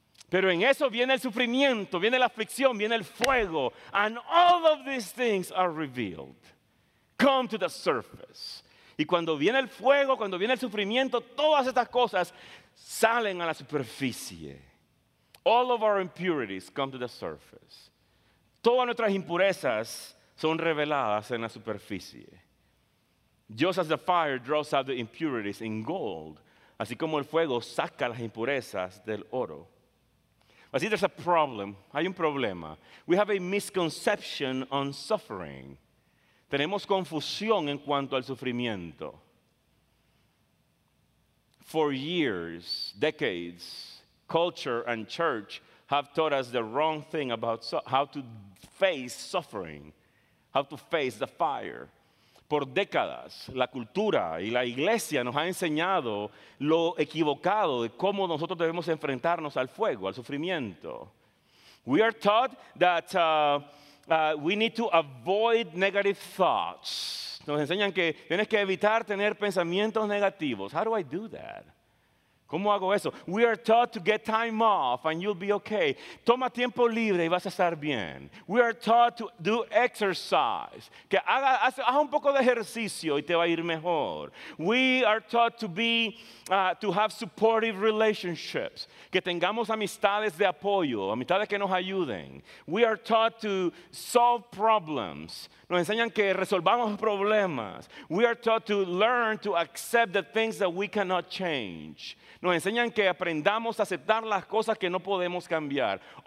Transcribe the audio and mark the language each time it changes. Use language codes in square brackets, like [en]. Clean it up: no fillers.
[es] Pero en eso viene el sufrimiento, viene la aflicción, viene el fuego. [en] And all of these things are revealed. Come to the surface. [es] Y cuando viene el fuego, cuando viene el sufrimiento, todas estas cosas salen a la superficie. [en] All of our impurities come to the surface. [es] Todas nuestras impurezas son reveladas en la superficie. [en] Just as the fire draws out the impurities in gold, [es] así como el fuego saca las impurezas del oro. [en] But see, there's a problem. [es] Hay un problema. [en] We have a misconception on suffering. [es] Tenemos confusión en cuanto al sufrimiento. [en] For years, decades, culture and church have taught us the wrong thing about how to face suffering, how to face the fire. [es] Por décadas, la cultura y la iglesia nos ha enseñado lo equivocado de cómo nosotros debemos enfrentarnos al fuego, al sufrimiento. [en] We are taught that we need to avoid negative thoughts. [es] Nos enseñan que tienes que evitar tener pensamientos negativos. [en] How do I do that? [es] ¿Cómo hago eso? [en] We are taught to get time off and you'll be okay. [es] Toma tiempo libre y vas a estar bien. [en] We are taught to do exercise. [es] Que haz un poco de ejercicio y te va a ir mejor. [en] We are taught to be, to have supportive relationships. [es] Que tengamos amistades de apoyo, amistades que nos ayuden. [en] We are taught to solve problems. [es] Nos enseñan que resolvamos problemas. [en] We are taught to learn to accept the things that we cannot change. [es] Nos enseñan que aprendamos a aceptar las cosas que no podemos cambiar.